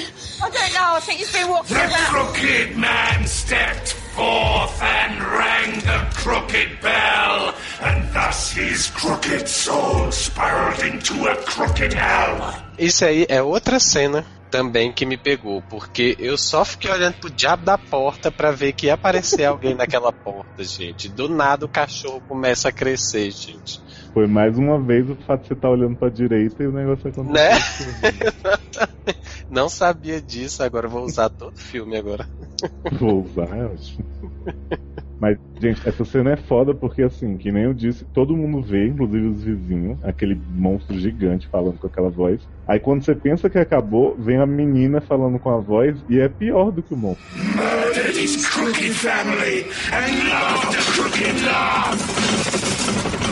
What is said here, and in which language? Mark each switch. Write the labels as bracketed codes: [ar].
[en] I don't know. I think he's been walking around. The crooked man stepped forth and rang the crooked bell, and thus his crooked soul spiraled into a crooked hell. [pt] Isso aí é outra cena. também que me pegou, porque eu só fiquei olhando pro diabo da porta pra ver que ia aparecer alguém naquela porta, gente. Do nada o cachorro começa a crescer, gente. Foi mais uma vez o fato de você estar olhando pra direita e o negócio aconteceu. Né? Não sabia disso, agora vou usar todo o filme agora. Vou usar, eu acho. Mas, gente, essa cena é foda porque, assim, que nem eu disse, todo mundo vê, inclusive os vizinhos, aquele monstro gigante falando com aquela voz. Aí quando você pensa que acabou, vem a menina falando com a voz e é pior do que o monstro. [en] Murder this crooked family and love the crooked love!